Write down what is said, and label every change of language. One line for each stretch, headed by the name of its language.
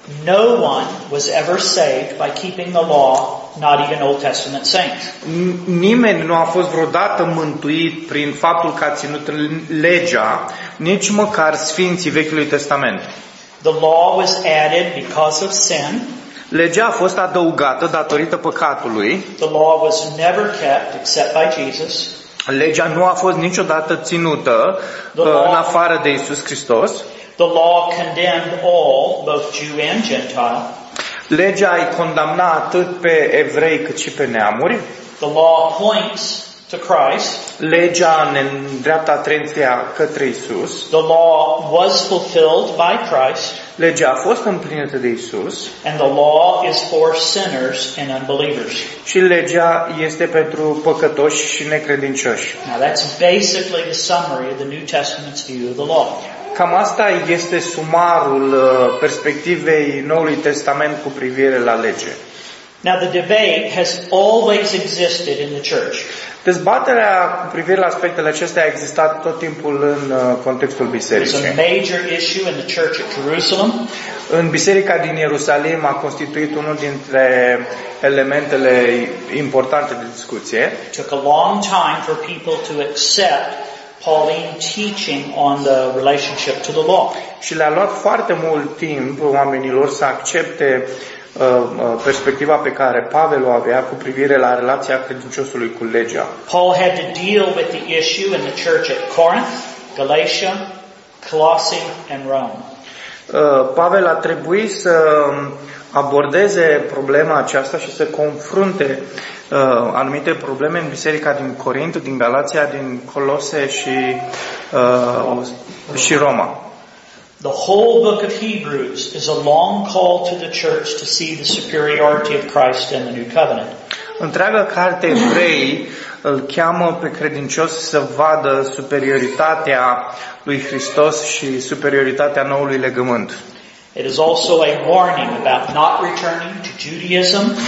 English: No one was ever saved by keeping the law, not even Old Testament saints.
Romanian: Nimeni nu a fost vreodată mântuit prin faptul că a ținut legea, nici măcar sfinții Vechiului Testament.
English: The law was added because of sin.
Romanian: Legea a fost adăugată datorită păcatului.
English: The law was never kept except by Jesus.
Romanian: Legea nu a fost niciodată ținută în afară de Iisus Hristos.
English: The law condemned all, both Jew and Gentile.
Romanian: Legea îi condamna atât pe evrei cât și pe neamuri.
English: The law points to Christ.
Romanian: Legea ne îndreaptă atenția către Iisus.
English: The law was fulfilled by Christ.
Romanian: Legea a fost împlinită de Iisus.
English: And the law is for sinners and unbelievers.
Romanian: Și legea este pentru păcătoși și necredincioși.
English: Now that's basically the summary of the New Testament's view of the law.
Romanian: Cam asta este sumarul perspectivei Noului Testament cu privire la lege.
English: Now the debate has always existed in the church.
Romanian: Dezbaterea cu privire la aspectele acestea a existat tot timpul în contextul bisericii.
English: It was a major issue in the church at Jerusalem.
Romanian: În biserica din Ierusalim a constituit unul dintre elementele importante de discuție.
English: It took a long time for people to accept Pauline teaching on the relationship to the law.
Romanian: Și le-a luat foarte mult timp oamenilor să accepte perspectiva pe care Pavel o avea cu privire la relația credinciosului cu legea.
English: Paul had to deal with the issue in the church at Corinth, Galatia, Colossae and Rome.
Romanian: Pavel a trebuit să abordeze problema aceasta și să confrunte anumite probleme în biserica din Corint, din Galația, din Colose și și Roma.
English: The whole book of Hebrews is a long call to the church to see the superiority of Christ in the new covenant.
Romanian: Întreaga carte Evrei îl cheamă pe credincios să vadă superioritatea lui Hristos și superioritatea noului legământ.
English: It is also a warning about not returning to Judaism,